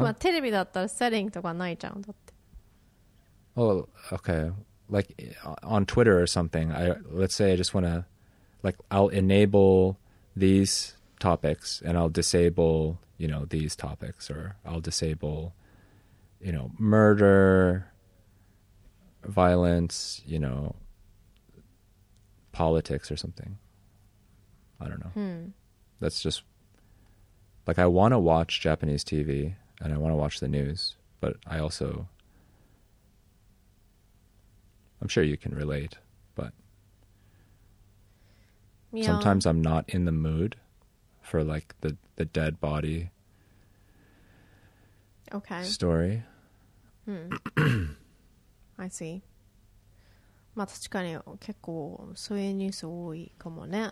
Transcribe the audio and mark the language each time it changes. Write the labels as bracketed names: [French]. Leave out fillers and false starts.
[Japanese] まあテレビだったらセリングとかないじゃんだって。 [English] Oh, okay. Like on Twitter or something, let's say I just want to, like, I'll enable these topics and I'll disable, you know, these topics, or I'll disable, you know, murder, violence, you know, politics or something. I don't know. That's just like, I want to watch Japanese TV and I want to watch the news, but I also. I'm sure you can relate, but sometimes I'm not in the mood for like the dead body story. I see. [Japanese] まあ確かに結構そういうニュース多いかもね。